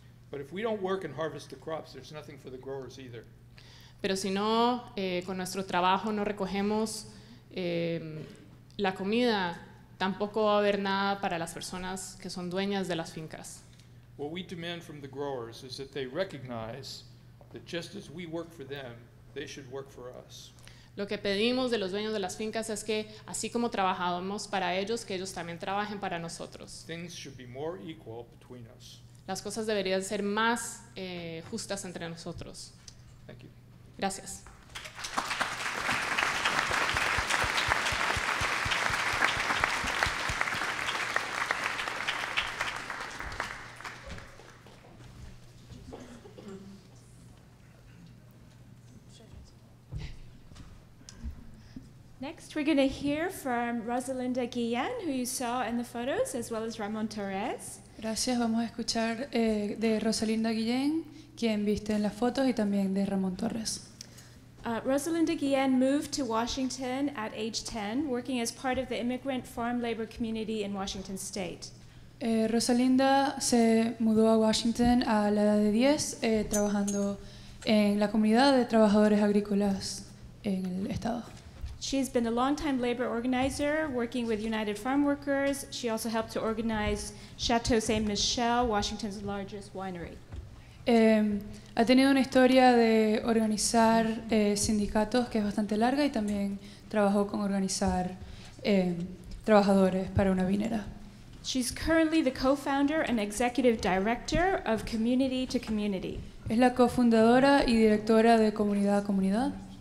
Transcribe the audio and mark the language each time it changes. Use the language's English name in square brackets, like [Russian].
[English] But if we don't work and harvest the crops, there's nothing for the growers either. [Spanish] Pero si no, con nuestro trabajo no recogemos la comida, tampoco va a haber nada para las personas que son dueñas de las fincas. [English] What we demand from the growers is that they recognize that just as we work for them, they should work for us. [Spanish] Lo que pedimos de los dueños de las fincas es que, así como trabajamos para ellos, que ellos también trabajen para nosotros. [English] Things should be more equal between us. [Spanish] Las cosas deberían ser más justas entre nosotros. [English] Thank you. [Spanish] Gracias. [English] Next, we're going to hear from Rosalinda Guillen, who you saw in the photos, as well as Ramon Torres. [Spanish] Gracias. Vamos a escuchar de Rosalinda Guillen, quien viste en las fotos, y también de Ramon Torres. [English] Rosalinda Guillen moved to Washington at age 10, working as part of the immigrant farm labor community in Washington State. [Spanish] Rosalinda se mudó a Washington a la edad de 10, trabajando en la comunidad de trabajadores agrícolas en el estado. [English] She's been a longtime labor organizer working with United Farmworkers. She also helped to organize Chateau Saint Michel, Washington's largest winery. [Spanish] Ha tenido una historia de organizar sindicatos que es bastante larga y también trabajó con organizar trabajadores para una vinera. [English] She's currently the co-founder and executive director of Community to Community. [Spanish] Es la cofundadora y directora de Comunidad a Comunidad.